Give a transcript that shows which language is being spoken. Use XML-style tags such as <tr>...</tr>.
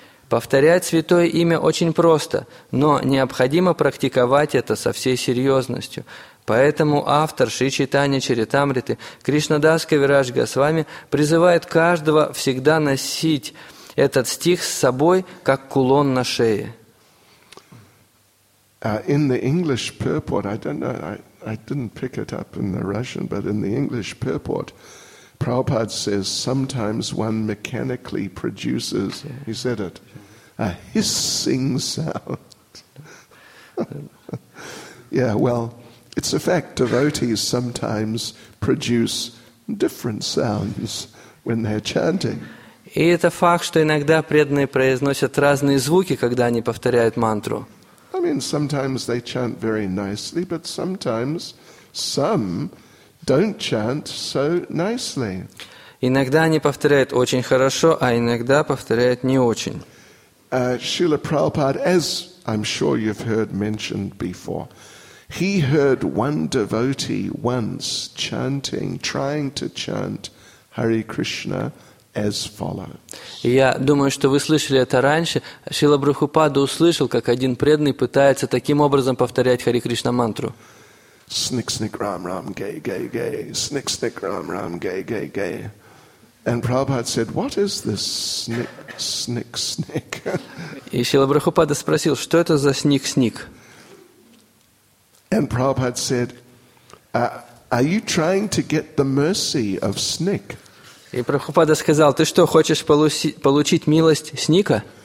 <ru>Повторять святое имя очень просто, но необходимо практиковать это со всей серьезностью. Поэтому автор Шри Чайтанья Чаритамриты Кришнадас Кавирадж Госвами призывает каждого всегда носить этот стих с собой, как кулон на шее.</ru> <en>In the English purport, I don't know, I didn't pick it up in the Russian, but in the English purport, Prabhupada says sometimes one mechanically produces, he said it, a hissing sound. Yeah, well, it's a fact. Devotees sometimes produce different sounds when they're chanting.</en> <ru>И это факт, что иногда преданные произносят разные звуки, когда они повторяют мантру.</ru> <en>I mean, sometimes they chant very nicely, but sometimes some don't chant so nicely.</en> <ru>Иногда они повторяют очень хорошо, а иногда повторяют не очень.</ru> <en>Srila Prabhupada, as I'm sure you've heard mentioned before, he heard one devotee once chanting, trying to chant Hare Krishna as follows.</en> <ru>Я думаю, что вы слышали это раньше. Шрила Прабхупада услышал, как один преданный пытается таким образом повторять Хари Кришна мантру.</ru> <en>Snick snick ram ram gay gay gay. Snick snick ram ram gay gay gay. And Prabhupada said, "What is this snick snick snick?"</en> <ru>И Шрила Прабхупада спросил, что это за снег снег.</ru> <en>And Prabhupada said, "Are you trying to get the mercy of snick?"</en> <ru>И Прабхупада сказал, ты что, хочешь получить милость Сника?</ru>